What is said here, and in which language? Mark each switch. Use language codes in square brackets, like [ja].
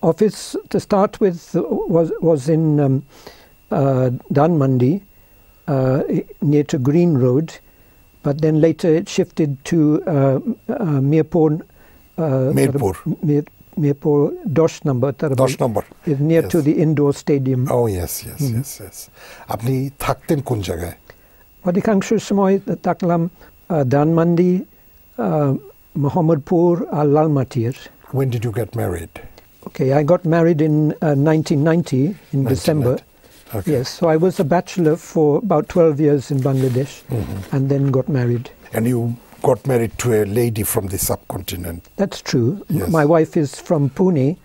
[en] Office, to start with, was in Dhanmandi, near to Green Road. But then later it shifted to Mirpur. Mirpur, Dosh number. It's near, yes, to the indoor stadium. Oh, yes, yes, yes, yes. [bn] Apni thakten kun jagay? অধিকাংশ সময় থাকলাম ধানমন্ডি, মোহাম্মদপুর আর লালমাটিয়ার। [en] When did you get married? Okay, I got married in 1990 in December. Okay. Yes, so I was a bachelor for about 12 years in Bangladesh, and then got married. And you got married to a lady from the subcontinent. That's true. Yes. My wife is from Pune.